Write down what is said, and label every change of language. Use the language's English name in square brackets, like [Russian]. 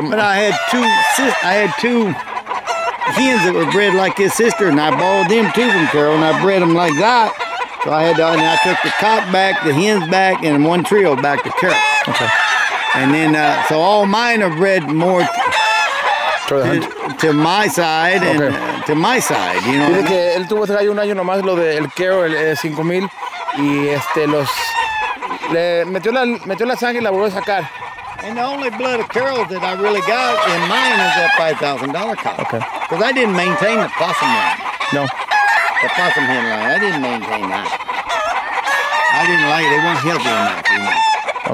[English] But I had two hens that were bred like his sister, and I bought them too from Carol, and I bred them like that. So, I had to, and I took the cock back, the hens back, and one trio back to Carol. Okay. And then, so all mine are bred more. To my side, and okay. To my side, you know. [Spanish] Dice que él tuvo ese gallo un año nomás, lo de el Kero, el 5,000, y los le metió la sangre y la volvió a sacar. [English] And the only blood of Kero that I really got in mine is that $5,000 cop. Okay. Because I didn't maintain the possum line. No. The possum hen line, I didn't maintain that. I didn't like it. They weren't healthy enough, you know.